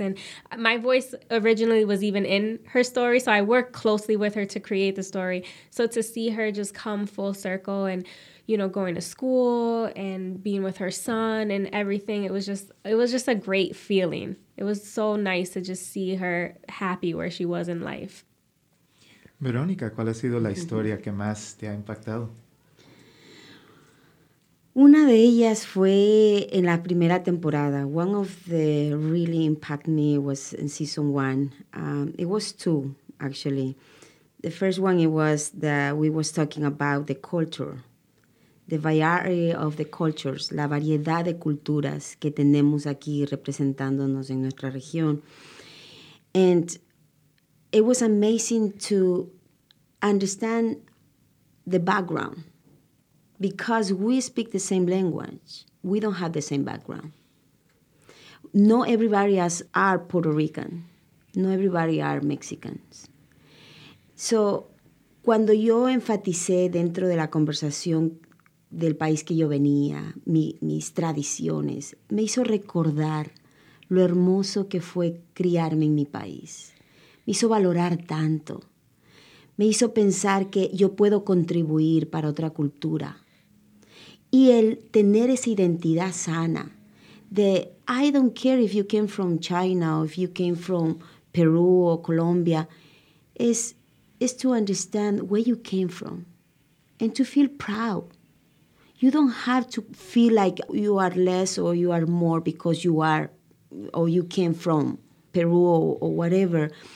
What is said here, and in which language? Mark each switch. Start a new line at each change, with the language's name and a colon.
English: And my voice originally was even in her story. So I worked closely with her to create the story. So to see her just come full circle and, you know, going to school and being with her son and everything, it was just a great feeling. It was so nice to just see her happy where she was in life.
Spanish: Verónica, ¿cuál ha sido la historia que más te ha impactado? Una de ellas fue en la primera temporada.
English: One of the really impacted me was in season one. It was two, actually. The first one, it was that we was talking about the culture, the variety of the cultures,
Spanish: la variedad de culturas que tenemos aquí representándonos en nuestra región.
English: And it was amazing to understand the background. Because we speak the same language, we don't have the same background. Not everybody are Puerto Rican. Not everybody are Mexicans.
Spanish: So, cuando yo enfaticé dentro de la conversación del país que yo venía, mis tradiciones, me hizo recordar lo hermoso que fue criarme en mi país. Me hizo valorar tanto. Me hizo pensar que yo puedo contribuir para otra cultura. Y el tener esa identidad sana, de
English: I don't care if you came from China or if you came from Peru or Colombia, is to understand where you came from and to feel proud. You don't have to feel like you are less or you are more because you are or you came from Peru or whatever.